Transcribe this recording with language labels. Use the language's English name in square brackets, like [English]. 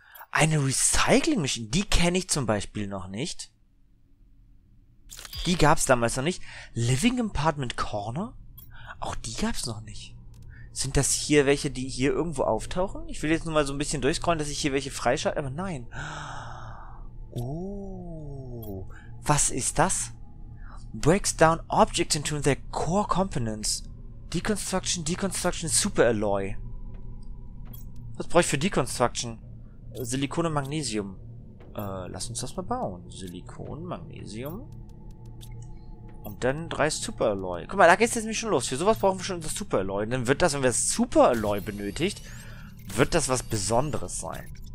[German] Eine Recycling Machine, die kenne ich zum Beispiel noch nicht. Die gab es damals noch nicht. Living Apartment Corner, auch die gab es noch nicht. Sind das hier welche, die hier irgendwo auftauchen? Ich will jetzt nur mal so ein bisschen durchscrollen, dass ich hier welche freischalte, aber nein. Oh. Was ist das? [English] Breaks down objects into their core components. Deconstruction, Deconstruction, Super Alloy. [German] Was brauche ich für Deconstruction? Silikon und Magnesium. Lass uns das mal bauen. Silikon, Magnesium. Und dann 3 Super Alloy. Guck mal, da geht es jetzt nämlich schon los. Für sowas brauchen wir schon das Super Alloy. Und dann wird das, wenn wir das Super Alloy benötigt, wird das was Besonderes sein.